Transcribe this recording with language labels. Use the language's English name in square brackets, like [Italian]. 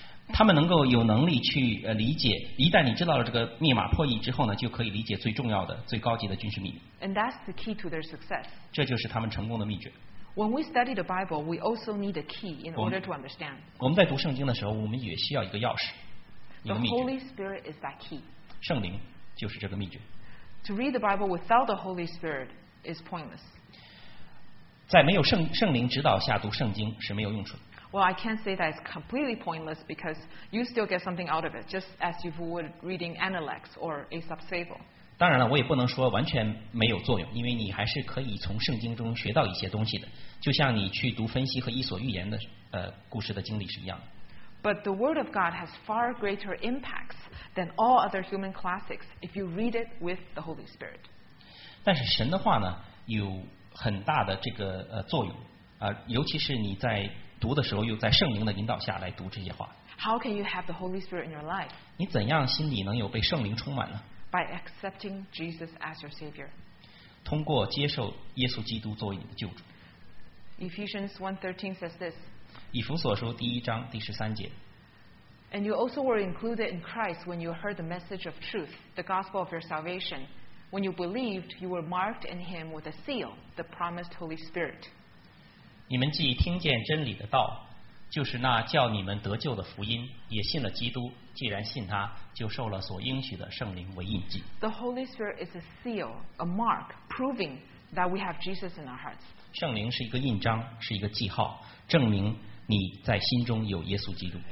[Chinese] 他们能够有能力去理解，一旦你知道了这个密码破译之后呢，就可以理解最重要的、最高级的军事秘密。 [English] And that's the key to their success. [Chinese] 这就是他们成功的秘诀。 [English] When we study the Bible, we also need a key in order to understand. [Chinese] 我们在读圣经的时候，我们也需要一个钥匙，一个秘诀。 [English] The Holy Spirit is that key. [Chinese] 圣灵就是这个秘诀。 [English] To read the Bible without the Holy Spirit is pointless. [Chinese] 在没有圣灵指导下读圣经是没有用处的。 [English] Well, I can't say that it's completely pointless because you still get something out of it, just as you would reading Analects or Aesop's Fable. [Chinese] 当然了，我也不能说完全没有作用，因为你还是可以从圣经中学到一些东西的，就像你去读分析和伊索寓言的故事的经历是一样的。 [English] But the Word of God has far greater impacts than all other human classics if you read it with the Holy Spirit. [Chinese] 但是神的话呢，有很大的这个作用，尤其是你在读的时候，又在圣灵的引导下来读这些话。 [English] How can you have the Holy Spirit in your life? [Chinese] 你怎样心里能有被圣灵充满呢？ [English] By accepting Jesus as your Savior. [Chinese] 通过接受耶稣基督作为你的救主。 [English] Ephesians 1:13 says this. [Chinese] 以弗所书第一章第十三节。 [English] And you also were included in Christ when you heard the message of truth, the gospel of your salvation. When you believed, you were marked in Him with a seal, the promised Holy Spirit. [Chinese] 你们既听见真理的道，就是那叫你们得救的福音，也信了基督。既然信他，就受了所应许的圣灵为印记。 [English] The Holy Spirit is a seal, a mark, proving that we have Jesus in our hearts. [Chinese] 圣灵是一个印章，是一个记号，证明你在心中有耶稣基督。